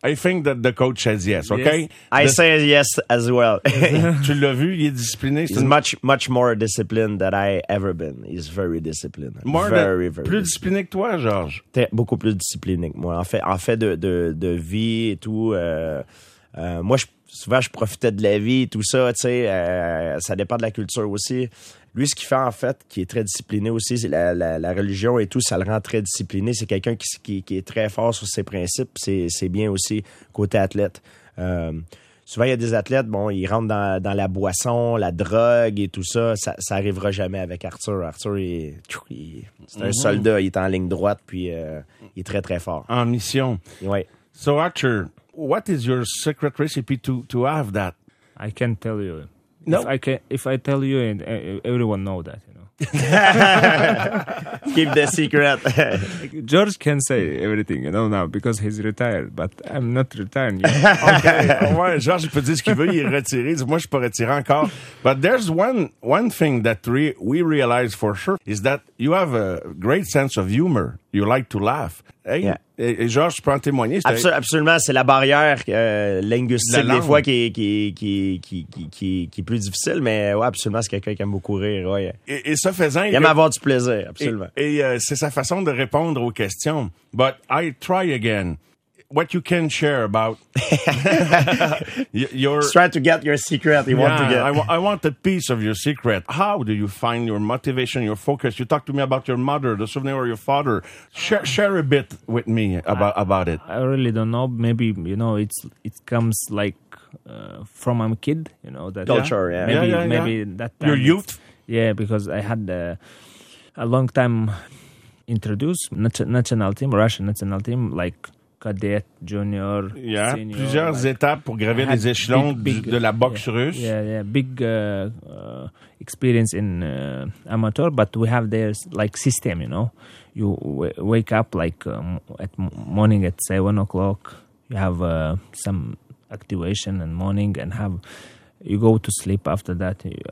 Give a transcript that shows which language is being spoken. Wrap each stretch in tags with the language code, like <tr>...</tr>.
<en>I think that the coach says yes, okay? Yes. I say yes as well.</en> <fr>Tu l'as vu, il est discipliné.</fr> <en>He's much, much more disciplined than I ever been. He's very disciplined.</en> <fr>Plus discipliné que toi, Georges. T'es beaucoup plus discipliné que moi. En fait de vie et tout, moi, souvent, je profitais de la vie et tout ça, tu sais. Ça dépend de la culture aussi. Lui, ce qu'il fait, en fait, qui est très discipliné aussi, c'est la religion et tout, ça le rend très discipliné. C'est quelqu'un qui est très fort sur ses principes. C'est bien aussi côté athlète. Souvent, il y a des athlètes, bon, ils rentrent dans la boisson, la drogue et tout ça. Ça n'arrivera jamais avec Arthur. Arthur, c'est un soldat. Il est en ligne droite, puis il est très, très fort. En mission. Oui.</fr> <en>So, Arthur, what is your secret recipe to have that? I can't tell you. No. If I tell you, and everyone know that, you know. Keep the secret. George can say everything, you know, now, because he's retired, but I'm not retired yet. Okay.</en> <fr>Ouais, George peut dire ce qu'il veut, il est retiré. Moi, je peux retirer encore.</fr> <en>But there's one thing that we realize for sure is that you have a great sense of humor. You like to laugh. Hey, yeah. Et Georges, tu peux en témoigner.</en> <fr>Absolument, c'est la barrière linguistique la des fois qui est plus difficile, mais ouais, absolument, c'est quelqu'un qui aime beaucoup rire. Ouais. Et ça faisant... Il aime avoir du plaisir, absolument. Et c'est sa façon de répondre aux questions.</fr> <en>But I try again. What you can share about your... Just try to get your secret. I want a piece of your secret. How do you find your motivation, your focus? You talked to me about your mother, the souvenir of your father. Share a bit with me about it. I really don't know. Maybe, you know, it comes like from my kid, you know. That culture, yeah. Maybe that time. Your youth? Yeah, because I had a long time introduce national team, Russian national team, like... Cadet, junior, yeah, senior.</en> <fr>Plusieurs étapes pour gravir les échelons de la boxe russe.</fr> <en>Yeah, big experience in amateur, but we have their like system, you know. You wake up like at morning at 7 o'clock. You have some activation in morning and have you go to sleep after that.</en>